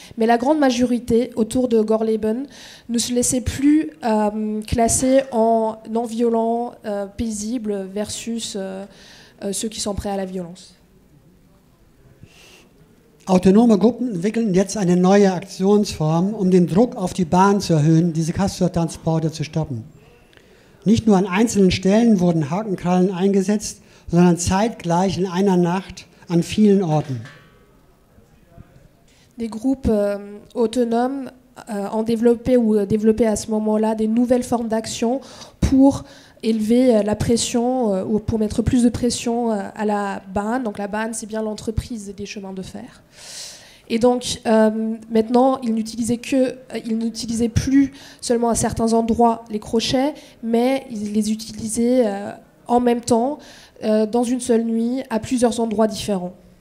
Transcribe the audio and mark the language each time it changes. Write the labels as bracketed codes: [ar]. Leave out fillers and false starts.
[fr] Mais la grande majorité autour de Gorleben ne se laissait plus classer en non-violents, paisibles, versus ceux qui sont prêts à la violence. [de] Autonome Gruppen entwickeln jetzt eine neue Aktionsform, um den Druck auf die Bahn zu erhöhen, diese Castor-Transporte zu stoppen. Nicht nur an einzelnen Stellen wurden Hakenkrallen eingesetzt, sondern zeitgleich in einer Nacht an vielen Orten. [fr] Des groupes autonomes ont développé à ce moment-là des nouvelles formes d'action pour élever la pression ou pour mettre plus de pression à la BAAN. Donc la BAAN, c'est bien l'entreprise des chemins de fer. Et donc maintenant, ils n'utilisaient plus seulement à certains endroits les crochets, mais ils les utilisaient en même temps, dans une seule nuit, à plusieurs endroits différents.